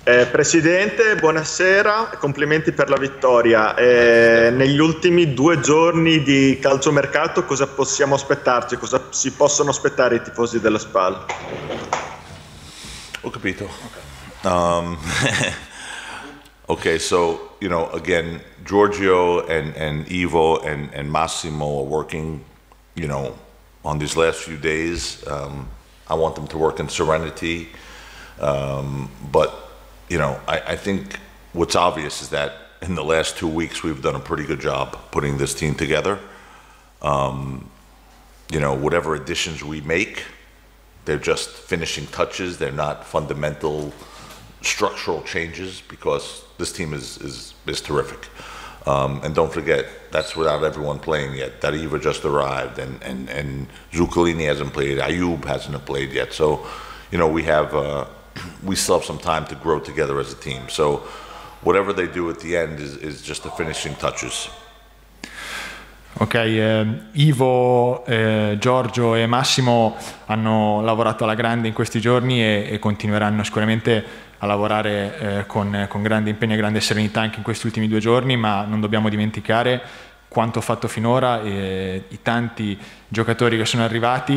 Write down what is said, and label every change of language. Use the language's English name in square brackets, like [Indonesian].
[Italian] Presidente, buonasera, complimenti per la vittoria. Negli ultimi 2 giorni di calciomercato, cosa possiamo aspettarci? Cosa si possono aspettare i tifosi della Spal? Ho capito. [English] Okay, so, you know, again, Giorgio and Ivo and Massimo are working, you know, on these last few days. I want them to work in serenity, but you know, I think what's obvious is that in the last 2 weeks we've done a pretty good job putting this team together. You know, whatever additions we make, they're just finishing touches. They're not fundamental structural changes, because this team is terrific. And don't forget, that's without everyone playing yet. Dariva just arrived, and Zuccolini hasn't played. Ayub hasn't played yet. So, you know, we still have some time to grow together as a team. So, whatever they do at the end is just the finishing touches. [Italian] Ok, Ivo, Giorgio e Massimo hanno lavorato alla grande in questi giorni e continueranno sicuramente a lavorare con grande impegno e grande serenità anche in questi ultimi due giorni, ma non dobbiamo dimenticare quanto fatto finora e i tanti giocatori che sono arrivati.